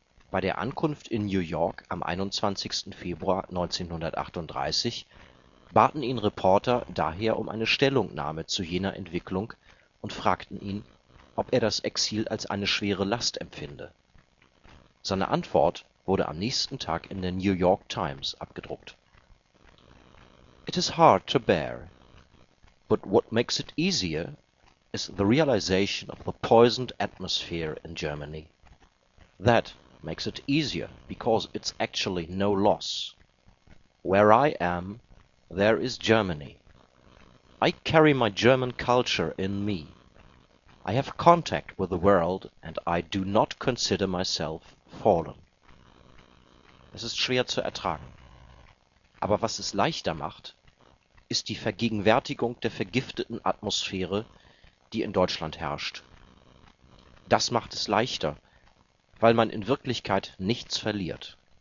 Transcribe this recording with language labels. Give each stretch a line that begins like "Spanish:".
German: Bei der Ankunft in New York am 21. Februar 1938 baten ihn Reporter daher um eine Stellungnahme zu jener Entwicklung und fragten ihn, ob er das Exil als eine schwere Last empfinde. Seine Antwort wurde am nächsten Tag in der New York Times abgedruckt.
English: It is hard to bear, but what makes it easier is the realization of the poisoned atmosphere in Germany. That makes it easier because it's actually no loss. Where I am, there is Germany. I carry my German culture in me. I have contact with the world and I do not consider myself fallen.
German: Es ist schwer zu ertragen. Aber was es leichter macht, ist die Vergegenwärtigung der vergifteten Atmosphäre, die in Deutschland herrscht. Das macht es leichter, weil man in Wirklichkeit nichts verliert.